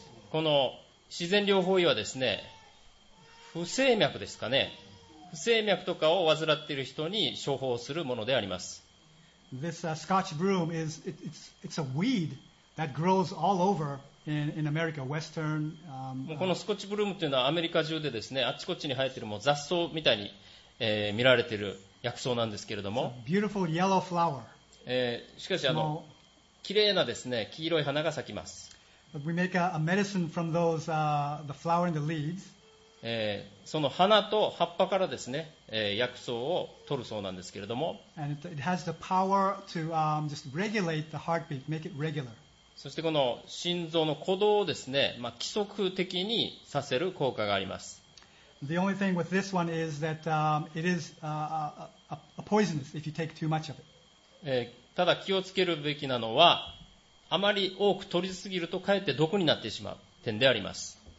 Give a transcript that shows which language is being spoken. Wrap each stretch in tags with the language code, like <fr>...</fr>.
<ja>この自然療法医はですね、不整脈ですかね、不整脈とかを患っている人に処方するものであります。</ja> <en>This Scotch broom is it's a weed that grows all over. In America, Western,</en> <ja>もうこのスコッチブルームというのはアメリカ中でですね、あちこちに生えているもう雑草みたいに、見られている薬草なんですけれども、</ja> <en>beautiful yellow flower.</en> <ja>しかし綺麗なですね、黄色い花が咲きます。</ja> <en>We make a medicine from those, the flower and the leaves.</en> <ja>その花と葉っぱからですね、薬草を取るそうなんですけれども。</ja> <en>And it has the power to just regulate the heartbeat, make it regular.</en> <ja>そしてこの心臓の鼓動をですね、まあ、規則的にさせる効果があります。</ja> <en>The only thing with this one is that it is a poisonous if you take too much of it.</en> <ja>ただ気をつけるべきなのは、あまり多く取りすぎるとかえって毒になってしまう点であります。</ja>